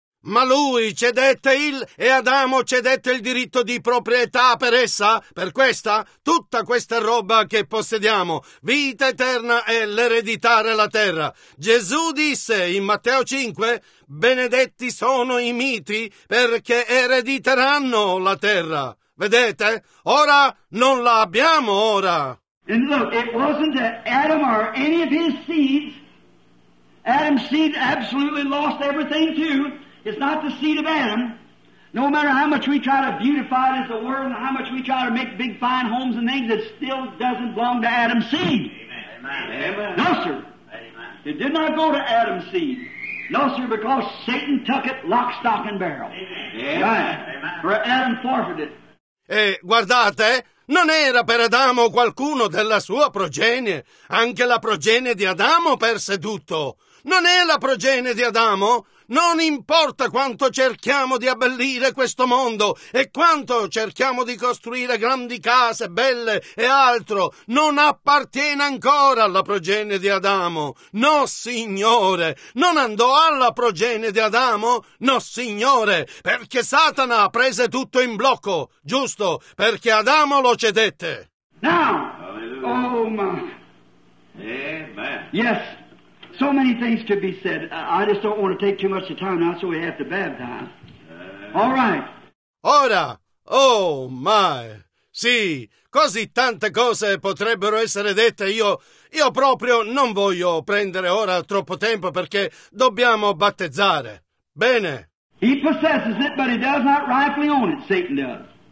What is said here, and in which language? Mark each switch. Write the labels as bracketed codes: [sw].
[it] Ma lui cedette il e Adamo cedette il diritto di proprietà per essa, per questa, tutta questa roba che possediamo, vita eterna e l'ereditare la terra. Gesù disse in Matteo 5, benedetti sono i miti perché erediteranno la terra. Vedete? Ora non la abbiamo ora. [en] And look, it wasn't that Adam or any of his seeds, Adam's seed absolutely lost everything too. It's not the seed of Adam. No matter how much we try to beautify it as the world, and how much we try to make big fine homes and things, it still doesn't belong to Adam's seed. Amen. Amen. No, sir. Amen. It did not go to Adam's seed. No, sir, because Satan took it lock, stock, and barrel. Amen. Right. Amen. For Adam forfeited. [it] Guardate. Non era per Adamo qualcuno della sua progenie. Anche la progenie di Adamo perse tutto. Non è la progenie di Adamo. Non importa quanto cerchiamo di abbellire questo mondo e quanto cerchiamo di costruire grandi case, belle e altro. Non appartiene ancora alla progenie di Adamo. No, signore. Non andò alla progenie di Adamo. No, signore. Perché Satana prese tutto in blocco. Giusto. Perché Adamo lo cedette. [en] Now. Hallelujah. Oh, ma. Amen. Yes. So many things could be said. I just don't want to take too much of time now, so we have to baptize. All right. [it] Ora, [en] oh my, [it] sì, così tante cose potrebbero essere dette. Io proprio non voglio prendere ora troppo tempo perché dobbiamo battezzare. Bene. [en] He possesses it, but he does not rightfully own it. Satan does.